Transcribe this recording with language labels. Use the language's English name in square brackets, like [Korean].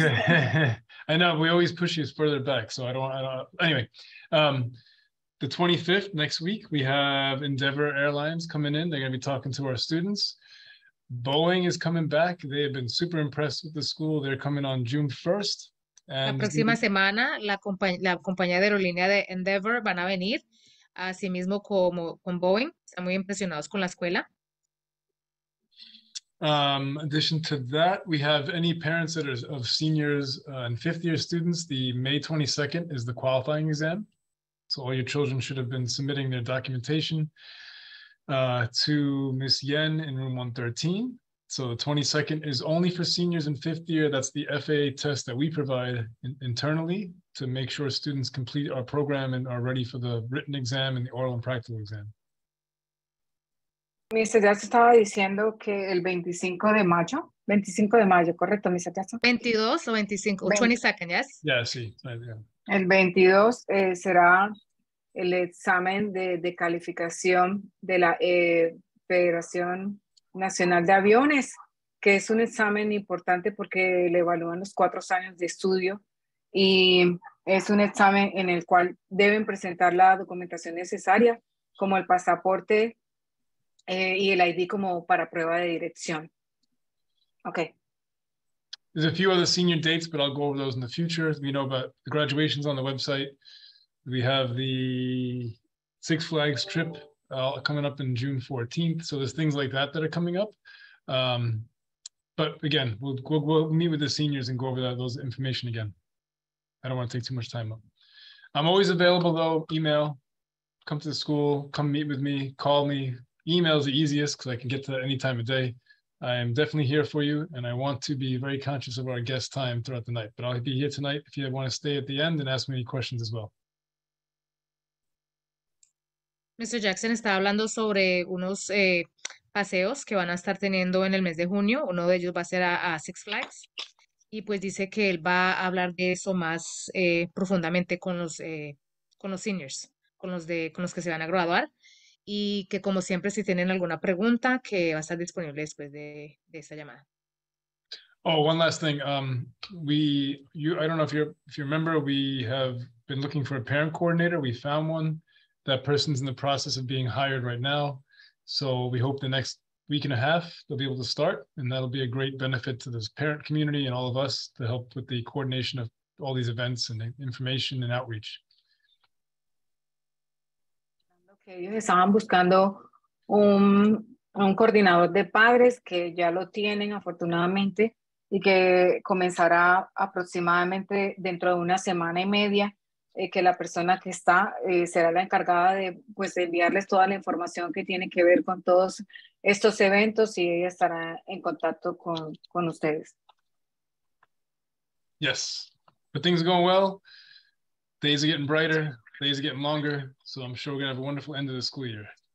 [English] okay. to do. I know we always push you further back, so anyway. The 25th next week, we have Endeavor Airlines coming in. They're going to be talking to our students. Boeing is coming back. They have been super impressed with the school. They're coming on June 1st. [Spanish] La próxima semana, la compañía de aerolínea de Endeavor van a venir, así mismo como con Boeing. Están muy impresionados con la escuela. [English] Addition to that, we have any parents that are of seniors and fifth year students, the May 22nd is the qualifying exam. So all your children should have been submitting their documentation to Ms. Yen in room 113. So the 22nd is only for seniors in fifth year. That's the FAA test that we provide internally to make sure students complete our program and are ready for the written exam and the oral and practical exam. Mr. [Spanish] Jackson estaba diciendo que el 25 de mayo, correcto, Mr. Jackson? [English] 22 o 25, 22nd, yes? Yeah, sí. Right, yeah. [Spanish] El 22 será el examen de calificación de la Federación Nacional de Aviones, que es un examen importante porque le evalúan los 4 años de estudio y es un examen en el cual deben presentar la documentación necesaria como el pasaporte y el ID como para prueba de dirección. [English] Okay. There's a few other senior dates, but I'll go over those in the future. We know about the graduations on the website. We have the Six Flags trip coming up in June 14th. So there's things like that are coming up. But again, we'll meet with the seniors and go over those information again. I don't want to take too much time up. I'm always available though, email, come to the school, come meet with me, call me. Email is the easiest because I can get to any time of day. I am definitely here for you, and I want to be very conscious of our guest time throughout the night, but I'll be here tonight if you want to stay at the end and ask me any questions as well. Mr. [Spanish] Jackson está hablando sobre unos paseos que van a estar teniendo en el mes de junio. Uno de ellos va a ser a Six Flags. Y pues dice que él va a hablar de eso más profundamente con los seniors, con los, de, con los que se van a graduar. Y que como siempre, si tienen alguna pregunta, que va a estar disponible después de esa llamada. [English] Oh, one last thing. I don't know if you remember, we have been looking for a parent coordinator. We found one. That person's in the process of being hired right now. So we hope the next week and a half, they'll be able to start. And that'll be a great benefit to this parent community and all of us to help with the coordination of all these events and information and outreach. [Spanish] Okay, ellos estaban buscando un coordinador de padres que ya lo tienen afortunadamente y que comenzará aproximadamente dentro de una semana y media. Que la persona que está será la encargada de, pues, de enviarles toda la información que tiene que ver con todos estos eventos y ella estará en contacto con ustedes. [English] Yes, but things are going well. Days are getting brighter, days are getting longer, so I'm sure we're going to have a wonderful end of the school year.